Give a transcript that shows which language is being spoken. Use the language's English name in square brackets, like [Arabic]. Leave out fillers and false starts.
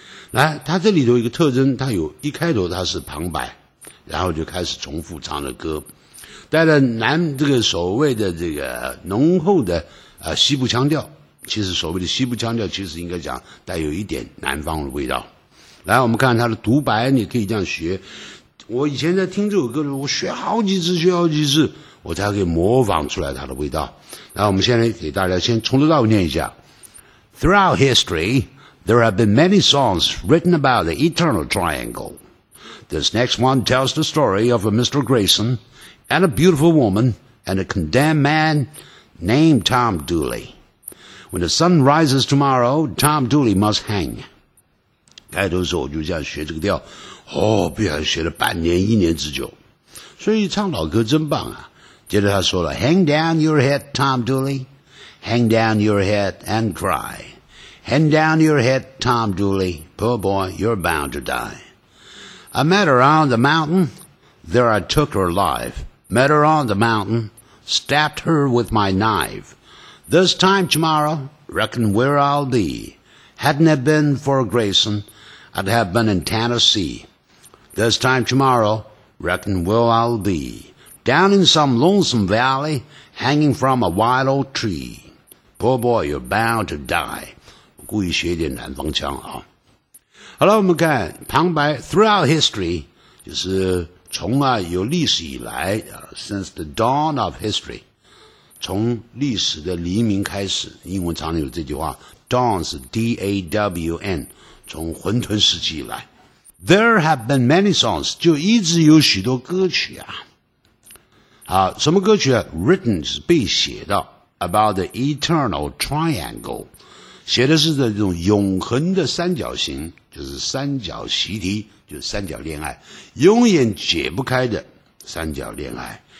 [Chinese] 来，他这里头一个特征，他有一开头他是旁白，然后就开始重复唱的歌，带着南这个所谓的这个浓厚的西部腔调，其实所谓的西部腔调其实应该讲带有一点南方的味道。来，我们看他的独白，你可以这样学。我以前在听这首歌的时候，我学好几次学好几次我才可以模仿出来它的味道。那我们现在给大家先从头到尾念一下。 [English] Throughout history, there have been many songs written about the Eternal Triangle. This next one tells the story of a Mr. Grayson and a beautiful woman and a condemned man named Tom Dooley. When the sun rises tomorrow, Tom Dooley must hang. [Chinese] 开头的时候我就这样学这个调，哦，不然学了半年一年之久。所以唱老歌真棒啊。接着他说了 [English] Hang down your head, Tom Dooley. Hang down your head and cry. Hang down your head, Tom Dooley. Poor boy, you're bound to die. I met her on the mountain. There I took her alive. Met her on the mountain. Stabbed her with my knife. This time tomorrow, reckon where I'll be. Hadn't it been for Grayson, I'd have been in Tennessee. This time tomorrow, reckon where I'll be. Down in some lonesome valley, hanging from a wild old tree. Poor boy, you're bound to die. [Chinese] 我故意学一点南方腔啊。好了，我们看旁白 [English] Throughout history, [Chinese] 就是从啊有历史以来 [English] since the dawn of history, [Chinese] 从历史的黎明开始，英文常有这句话 dawn 是 D-A-W-N, 从混沌时期以来。 [English] There have been many songs, [Chinese] 就一直有许多歌曲啊。好，什么歌曲啊 ？Written 是被写的 ， [English] about the eternal triangle， [Chinese] 写的是这种永恒的三角形，就是三角习题，就是三角恋爱，永远解不开的三角恋爱。